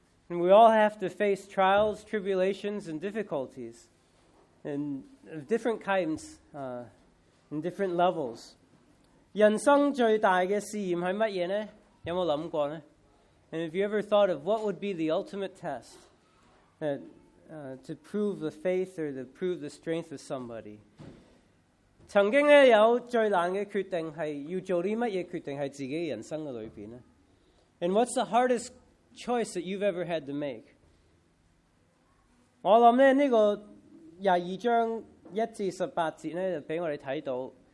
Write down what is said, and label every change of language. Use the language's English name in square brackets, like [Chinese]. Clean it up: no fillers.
[English] And we all have to face trials, tribulations, and difficulties and of different kinds and different levels. [Chinese] 人生最大的試驗是什麼呢? 有沒有想過呢? [English] And have you ever thought of what would be the ultimate test to prove the faith or to prove the strength of somebody? [Chinese] 曾經有最難的決定是要做什麼決定在自己人生裡面呢? [English] And what's the hardest choice that you've ever had to make? [Chinese] 我想這個22章1至18節給我們看到